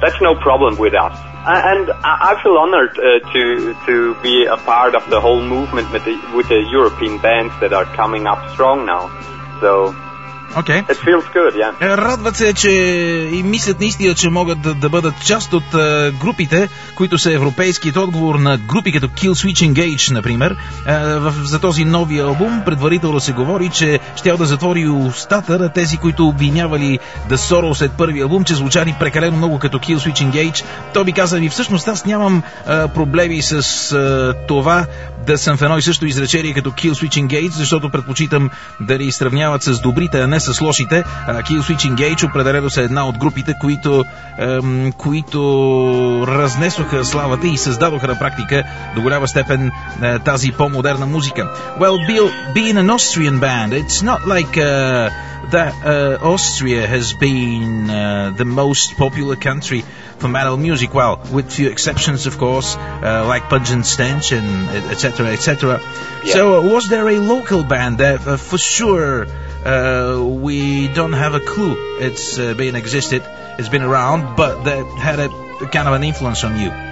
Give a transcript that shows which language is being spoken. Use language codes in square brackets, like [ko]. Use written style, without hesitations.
[en] That's no problem with us. And I feel honored to be a part of the whole movement with the European bands that are coming up strong now. So okay. It feels good, yeah. [bg] Радват се, че и мислят наистина, че могат да бъдат част от групите, които са европейският отговор на групи като Killswitch Engage, например. За този нови албум предварително се говори, че щял да затвори устата на тези, които обвинявали The Sorrow след първи албум, че звучали прекалено много като Killswitch Engage. Той би каза, ми всъщност аз нямам проблеми с това да съм в едно и също изречение като Killswitch Engage, защото предпочитам да ни сравняват с добрите, а не с лошите. Killswitch Engage определено са една от групите, които разнесоха славата и създадоха на практика до голяма степен тази по-модерна музика. [en] Well, being an Austrian band, it's not like that Austria has been the most popular country for metal music, well, with few exceptions, of course, like Pungent Stench and etc., etc. Yeah. So, was there a local band that, for sure, we don't have a clue it's been existed, it's been around, but that had a kind of an influence on you?